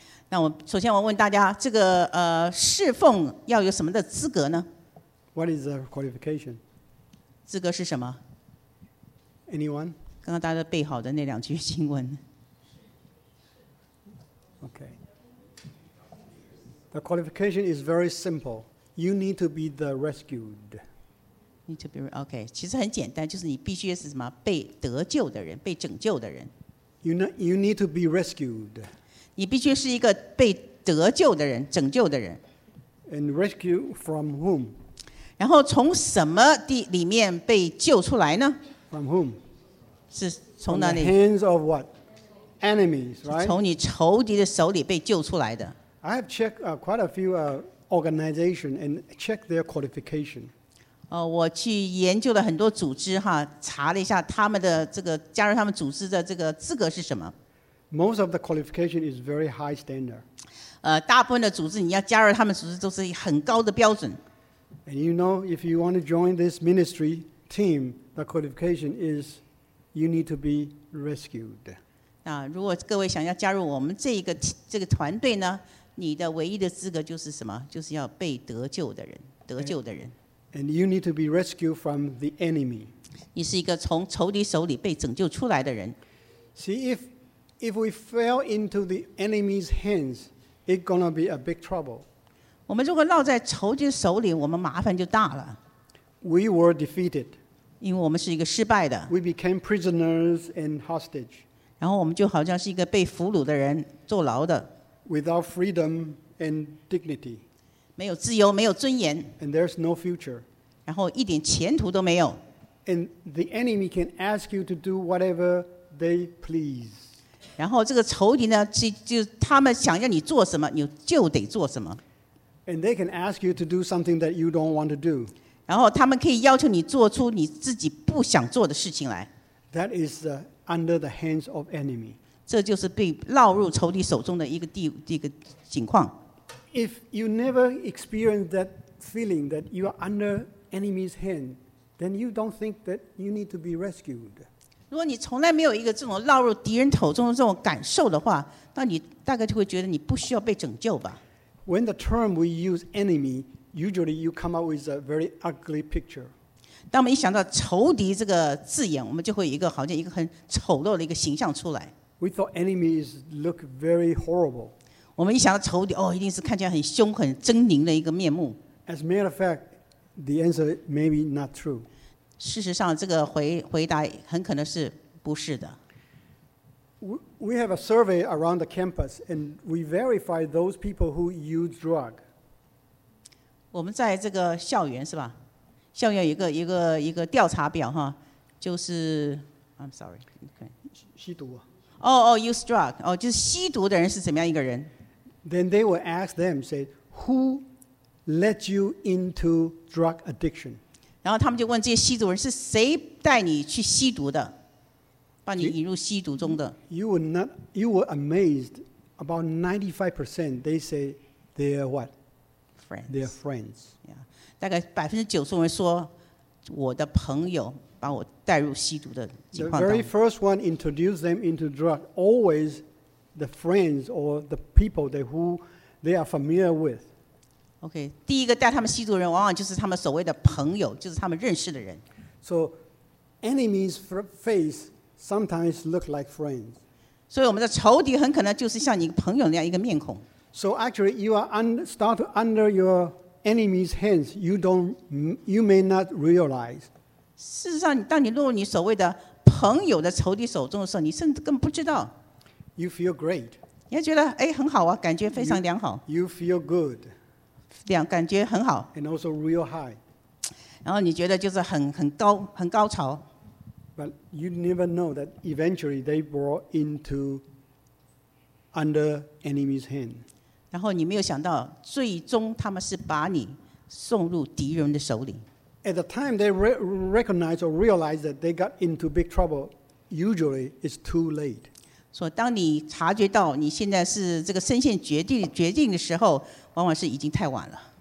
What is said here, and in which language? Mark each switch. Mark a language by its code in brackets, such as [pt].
[zh] 那我首先我问大家，这个侍奉要有什么的资格呢？ [en] What is the qualification? [zh] 资格是什么？ [en] Anyone? [zh] 刚刚大家背好的那两句经文。 [en] Okay. The qualification is very simple. You need to be the rescued. Need to be okay. [zh] 其实很简单，就是你必须是什么被得救的人，被拯救的人。 [en] You need to be rescued. [zh] 你必须是一个被得救的人，拯救的人。 [en] And rescue from whom? [zh] 然后从什么地里面被救出来呢 [en] ？From whom? [zh] 是从哪里 [en] ？From the hands of what? Enemies, right? [zh] 从你仇敌的手里被救出来的。 [en] I have checked quite a few organizations and checked their qualification. [zh] 我去研究了很多组织哈，查了一下他们的这个加入他们组织的这个资格是什么。 [en] Most of the qualification is very high standard. [zh] 大部分的组织你要加入他们组织都是很高的标准。 [en] And you know, if you want to join this ministry team, the qualification is you need to be rescued. [zh] 那如果各位想要加入我们这个团队呢，你的唯一的资格就是什么？就是要被得救的人，得救的人。 [en] And you need to be rescued from the enemy. [zh] 你是一个从仇敌手里被拯救出来的人。 [en] See, if we fell into the enemy's hands, it's going to be a big trouble. [zh] 我们如果落在仇敌手里，我们麻烦就大了。 [en] We were defeated. [zh] 因为我们是一个失败的。 [en] We became prisoners and hostage. [zh] 然后我们就好像是一个被俘虏的人，坐牢的。 [en] Without freedom and dignity. [zh] 没有自由，没有尊严。 [en] And there's no future. [zh] 然后一点前途都没有。 [en] And the enemy can ask you to do whatever they please. [zh] 然后这个仇敌呢，就他们想要你做什么，你就得做什么。 [en] And they can ask you to do something that you don't want to do. [zh] 然后他们可以要求你做出你自己不想做的事情来。 [en] That is under the hands of enemy. [zh] 这就是被落入仇敌手中的一个情况。 [en] If you never experience that feeling that you are under enemy's hand, then you don't think that you need to be rescued. [zh] 如果你从来没有一个这种落入敌人手中的这种感受的话，那你大概就会觉得你不需要被拯救吧。 [en] When the term we use enemy, usually you come up with a very ugly picture. [zh] 当我们一想到仇敌这个字眼，我们就会有一个好像一个很丑陋的一个形象出来。 [en] We thought enemies look very horrible. [zh] 我们一想到仇敌，哦，一定是看起来很凶、很狰狞的一个面目。 [en] As a matter of fact, the answer may be not true. [zh] 事实上，这个回答很可能是不是的。 [en] We have a survey around the campus, and we verify those people who use drug. [zh] 我们在这个校园是吧？校园有一个调查表哈，就是 [en] I'm sorry, okay. [zh] 吸毒。 [en] use drug. [zh] 就是吸毒的人是怎么样一个人？ [en] Then they will ask them, say, who led you into drug addiction? [zh] 然后他们就问这些吸毒人是谁带你去吸毒的，把你引入吸毒中的。 [en] You were amazed. About 95% they say they're what? Friends. They're friends. Yeah. [zh] 大概90%人说我的朋友把我带入吸毒的情况当中。 [en] The very first one introduced them into drug always. The friends or the people that who they are familiar with. Okay, [zh] 第一个带他们吸毒的人往往就是他们所谓的朋友，就是他们认识的人。 [en] So enemies' face sometimes look like friends. [zh] 所以我们的仇敌很可能就是像你朋友那样一个面孔。 [en] So actually, you are start under your enemy's hands. You may not realize. [zh] 事实上，当你落入你所谓的朋友的仇敌手中的时候，你甚至根本不知道。 [en] You feel great. [zh] 你还觉得哎很好啊，感觉非常良好。 [en] You feel good. [zh] 感觉很好。 [en] And also real high. [zh] 然后你觉得就是很高潮。 [en] But you never know that eventually they brought into under enemy's hand. [zh] 然后你没有想到，最终他们是把你送入敌人的手里。 [en] At the time they recognize or realize that they got into big trouble, usually it's too late. [zh] 所以当你察觉到你现在是这个深陷绝境的时候，往往是已经太晚了。